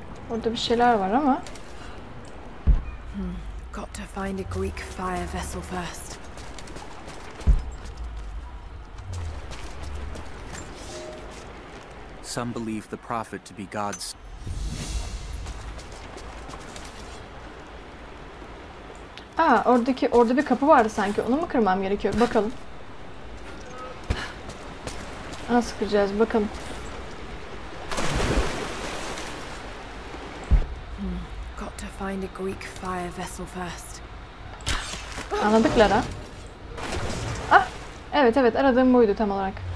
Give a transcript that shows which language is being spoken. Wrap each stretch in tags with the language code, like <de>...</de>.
<tr>Orada bir şeyler var ama.</tr> <en>Got to find a Greek fire vessel first. Some believe the prophet to be God's.</en> <tr>Aa, orada bir kapı vardı sanki. Onu mu kırmam gerekiyor? Bakalım. Nasıl kıracağız? Bakalım.</tr> <en>Got to find a Greek fire vessel first.</en> <tr>Anladık Lara. Ah, evet evet, aradığım buydu tam olarak.</tr>